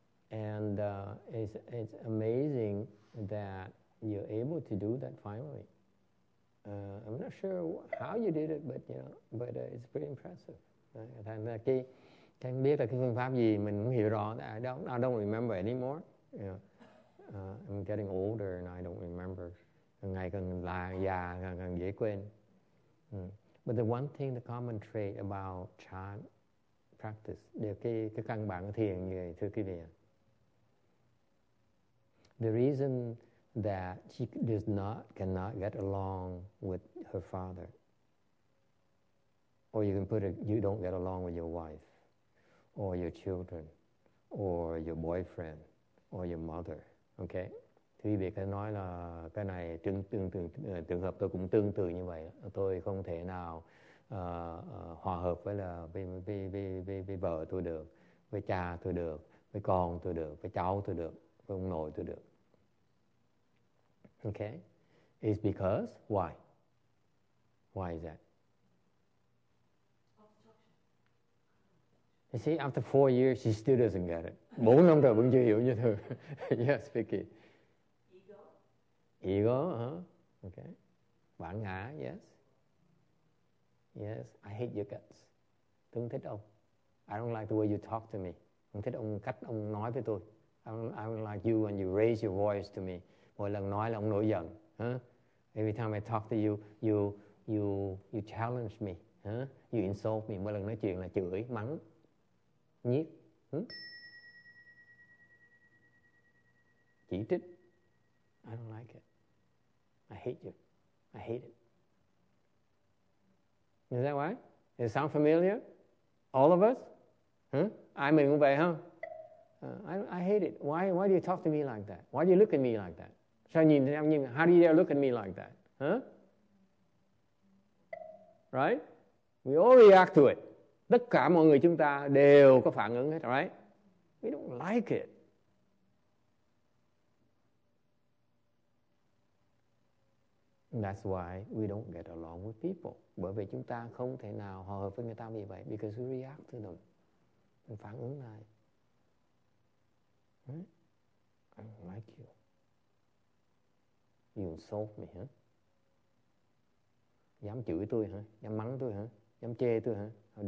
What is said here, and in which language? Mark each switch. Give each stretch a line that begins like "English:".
English: It's amazing that you're able to do that finally. I'm not sure how you did it, but you know, but it's pretty impressive.
Vietnamese: Can biết là cái phương pháp gì mình không hiểu rõ.
English: I don't remember anymore. You know, I'm getting older and I don't remember.
Vietnamese: Ngày càng là già càng dễ quên.
English: But the one thing, the common trait about chan practice,
Vietnamese: cái căn bản của thiền như vậy, thưa quý vị.
English: The reason that she cannot get along with her father, or you can put it, you don't get along with your wife, or your children, or your boyfriend, or your mother.
Vietnamese: Okay, thì việc nói là cái này trường hợp tôi cũng tương tự như vậy. Tôi không thể nào hòa hợp với vợ tôi được, với cha tôi được, với con tôi được, với cháu tôi được, với ông nội tôi được.
English: Okay, it's because why? Why is that? You see, after 4 years, she still doesn't get it.
Vietnamese: 4 năm rồi vẫn chưa hiểu như thường.
English: Yes, Vicky. Ego. Ego, huh? Okay.
Vietnamese: Bản ngã,
English: yes. Yes, I hate your guts.
Vietnamese: Tôi không thích ông.
English: I don't like the way you talk to me.
Vietnamese: Không thích ông cách ông nói với tôi.
English: I don't like you when you raise your voice to me.
Vietnamese: Mỗi lần nói là ông nổi giận. Huh?
English: Every time I talk to you, you challenge me. Huh? You insult me.
Vietnamese: Mỗi lần nói chuyện là chửi, mắng, nhiếc. Huh? Chỉ trích.
English: I don't like it. I hate you. I hate it. Is that why? Does it sound familiar? All of us? Huh?
Vietnamese: Ai mình cũng vậy,
English: huh? I hate it. Why do you talk to me like that? Why do you look at me like that?
Vietnamese: Sao nhìn em nhìn,
English: how do you dare look at me like that? Huh? Right? We all react to it.
Vietnamese: Tất cả mọi người chúng ta đều có phản ứng hết, right?
English: We don't like it. That's why we don't get along with people.
Vietnamese: Bởi vì chúng ta không thể nào hòa hợp với người ta vì vậy.
English: Because we react to them.
Vietnamese: Mình phản ứng lại.
English: Hmm? I don't like you. You insult me, huh?
Vietnamese: Dám chửi tôi, hả? Huh? Dám mắng tôi, hả? Huh? Dám chê tôi, hả? Huh?